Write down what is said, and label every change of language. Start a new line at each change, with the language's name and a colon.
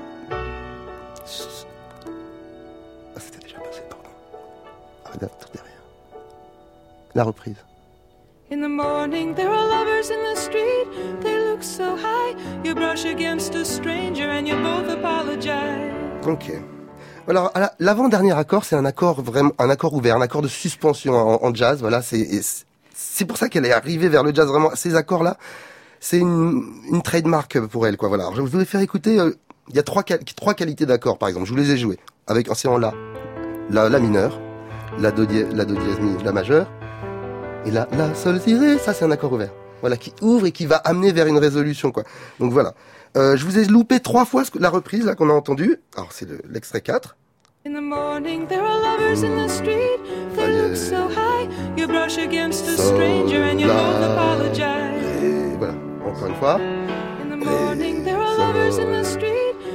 French: Ah, c'était déjà passé, pardon. Regarde tout derrière. La reprise.
English: In the morning, there are lovers in the street. They look so high. You brush against a stranger and you both apologize. Ok.
French: Voilà, l'avant-dernier accord, c'est un accord ouvert, un accord de suspension en jazz. Voilà, c'est pour ça qu'elle est arrivée vers le jazz. Vraiment, ces accords-là, c'est une trademark pour elle, quoi. Voilà. Alors, je vous ai fait écouter. Il y a trois qualités d'accords, par exemple. Je vous les ai joués avec en séant la mineure, la do dièse majeure. Et la sol tiré, ça c'est un accord ouvert. Voilà, qui ouvre et qui va amener vers une résolution, quoi. Donc voilà. Je vous ai loupé trois fois la reprise, là, qu'on a entendue. Alors, c'est l'extrait 4.
English: In the morning, there are lovers in the street. They look so high. You brush against a stranger and you both apologize.
French: Et voilà, encore une fois.
English: In the morning, there are lovers in the street.